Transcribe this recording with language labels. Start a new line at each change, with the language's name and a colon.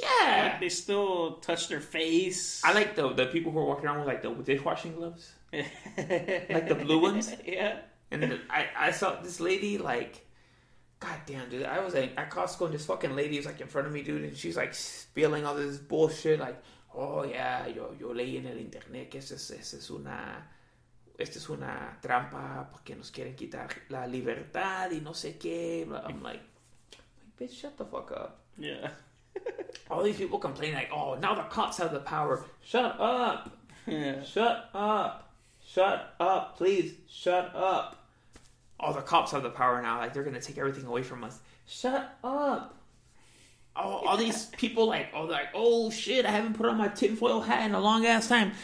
English: Yeah. Like they still touch their face. I like the people who are walking around with like the dishwashing gloves. Yeah. Like the blue ones. Yeah. And I saw this lady like, goddamn, dude. I was at Costco and this fucking lady is like in front of me, dude. And she's like spilling all this bullshit.
Spanish: Like, oh yeah, yo leí en el internet que este es una trampa porque nos quieren quitar la libertad y no sé qué.
English: I'm like, bitch, shut the fuck up. Yeah. All these people complain like, oh, now the cops have the power. Shut up. Yeah. Shut up. Shut up. Please, shut up. Oh, the cops have the power now. Like, they're going to take everything away from us. Shut up. All these people like, oh shit, I haven't put on my tinfoil hat in a long ass time.